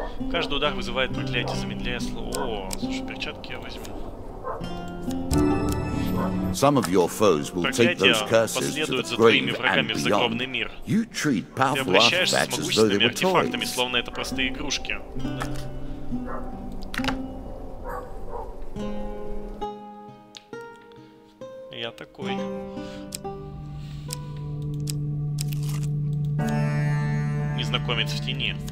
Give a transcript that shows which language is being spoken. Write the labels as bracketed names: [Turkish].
[Russian] Каждый удар вызывает проклятие, замедляя слово. О, слушай, перчатки я возьму. [English] Some of your foes will take those curses to the grave and beyond. You treat powerful artifacts as though they were toys. [Russian] Словно это простые игрушки. Я такой. Незнакомец в тени.